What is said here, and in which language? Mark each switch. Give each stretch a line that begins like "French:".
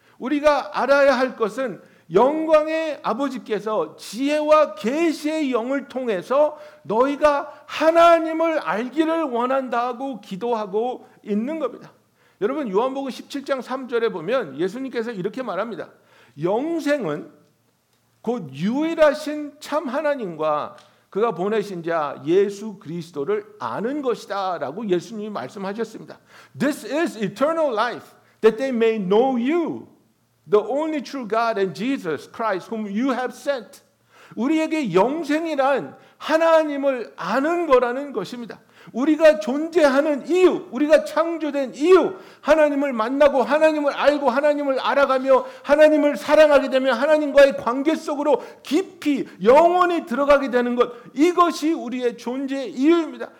Korean: 우리가 알아야 할 것은 영광의 아버지께서 지혜와 계시의 영을 통해서 너희가 하나님을 알기를 원한다고 기도하고 있는 겁니다. 여러분 요한복음 17장 3절에 보면 예수님께서 이렇게 말합니다. 영생은 곧 유일하신 참 하나님과 그가 보내신 자 예수 그리스도를 아는 것이다 라고 예수님이 말씀하셨습니다.
English: This is eternal life that they may know you, the only true God and Jesus Christ whom you have sent.
Korean: 우리에게 영생이란 하나님을 아는 거라는 것입니다. 우리가 존재하는 이유, 우리가 창조된 이유, 하나님을 만나고 하나님을 알고 하나님을 알아가며 하나님을 사랑하게 되며 하나님과의 관계 속으로 깊이 영원히 들어가게 되는 것, 이것이 우리의 존재의 이유입니다.